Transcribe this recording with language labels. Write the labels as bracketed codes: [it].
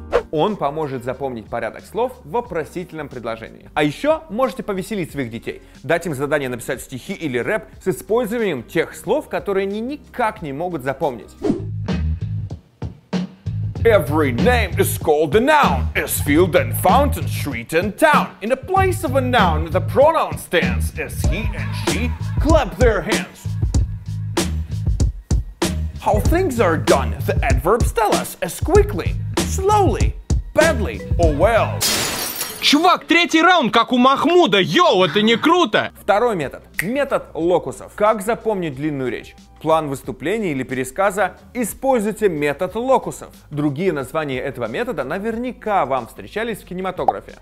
[ru] Он поможет запомнить порядок слов в вопросительном предложении. А еще можете повеселить своих детей, дать им задание написать стихи или рэп с использованием тех слов, которые они никак не могут запомнить. [en] Every name is called a noun. Is field and fountain, street and town. In the place of a noun, the pronoun stands. Is he and she, clap their hands. How things are done, the adverbs tell us. As quickly, slowly, badly, or well. [ru] Чувак, третий раунд, как у Махмуда. Йоу, это не круто. Второй метод. Метод локусов. Как запомнить длинную речь? План выступления или пересказа? Используйте метод локусов. Другие названия этого метода наверняка вам встречались в кинематографе.